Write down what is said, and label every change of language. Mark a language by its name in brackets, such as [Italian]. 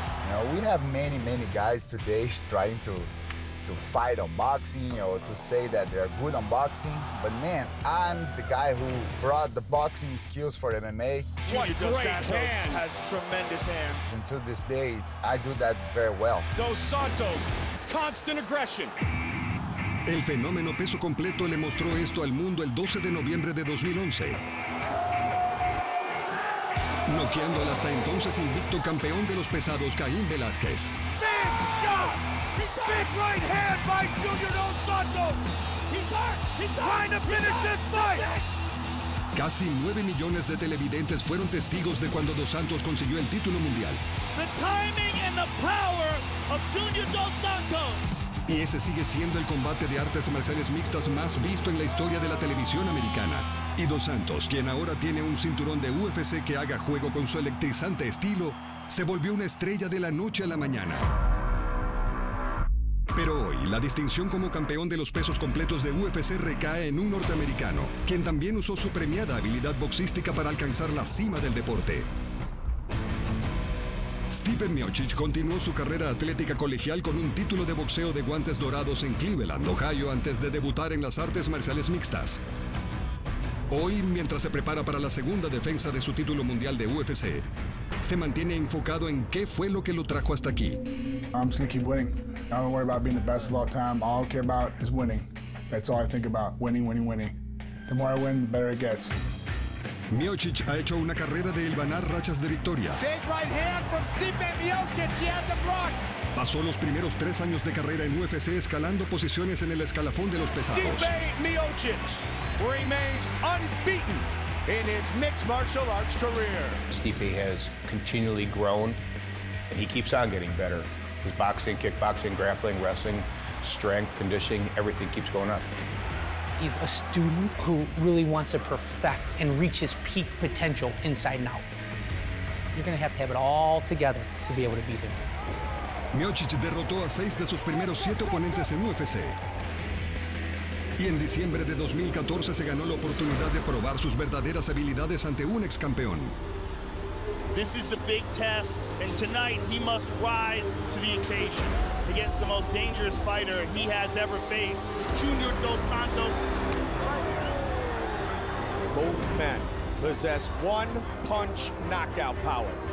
[English] Now, we have many guys today trying to fight on boxing or to say that they are good on boxing, but man, I'm the guy who brought the boxing skills for MMA. What great hands! Has tremendous hands. And to this day, I do that very well. Dos Santos, constant aggression. [Spanish] El fenómeno peso completo le mostró esto al mundo el 12 de noviembre de 2011. Noqueando al hasta entonces invicto campeón de los pesados, Caín Velázquez. [English] Big shot! Big right hand by Junior Dos Santos! He's hurt! He's trying to finish this fight! [Spanish] Casi 9 millones de televidentes fueron testigos de cuando Dos Santos consiguió el título mundial. [English] The timing and the power of Junior Dos Santos! [Spanish] Y ese sigue siendo el combate de artes marciales mixtas más visto en la historia de la televisión americana. Y Dos Santos, quien ahora tiene un cinturón de UFC que haga juego con su electrizante estilo, se volvió una estrella de la noche a la mañana. Pero hoy, la distinción como campeón de los pesos completos de UFC recae en un norteamericano, quien también usó su premiada habilidad boxística para alcanzar la cima del deporte. Stephen Miocic continuó su carrera atlética colegial con un título de boxeo de guantes dorados en Cleveland, Ohio, antes de debutar en las artes marciales mixtas. Hoy, mientras se prepara para la segunda defensa de su título mundial de UFC, se mantiene enfocado en qué fue lo que lo trajo hasta aquí. [English] I'm just gonna keep winning. I don't worry about being the best of all time. All I care about is winning. That's all I think about. Winning, winning, winning. The more I win, the better it gets. [Spanish] Miocic ha hecho una carrera de hilvanar rachas de victoria. Pasó los primeros tres años de carrera en UFC escalando posiciones en el escalafón de los pesados. [English] Stipe Miocic remains unbeaten in his mixed martial arts career. Stipe has continually grown and he keeps on getting better. His boxing, kickboxing, grappling, wrestling, strength, conditioning, everything keeps going up. He's a student who really wants to perfect and reach his peak potential inside and out. You're going to have it all together to be able to beat him. [Spanish] Miocic derrotó a seis de sus primeros siete oponentes en UFC. Y en diciembre de 2014 se ganó la oportunidad de probar sus verdaderas habilidades ante un ex campeón. [English] This is the big test, and tonight he must rise to the occasion against the most dangerous fighter he has ever faced, Junior Dos Santos. Both men possess one-punch knockout power.